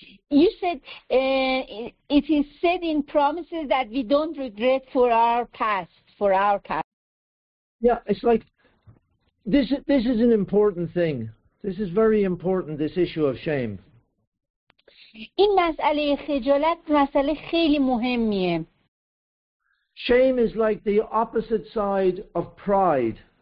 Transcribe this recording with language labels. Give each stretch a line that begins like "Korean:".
English: You said it is said in promises that we don't regret for our past, for our past. Yeah, it's like this is an important thing. This is very important, this issue of shame.
Persian: این مسئله خجالت مسئله خیلی مهمیه.
English: Shame is like the opposite side of pride.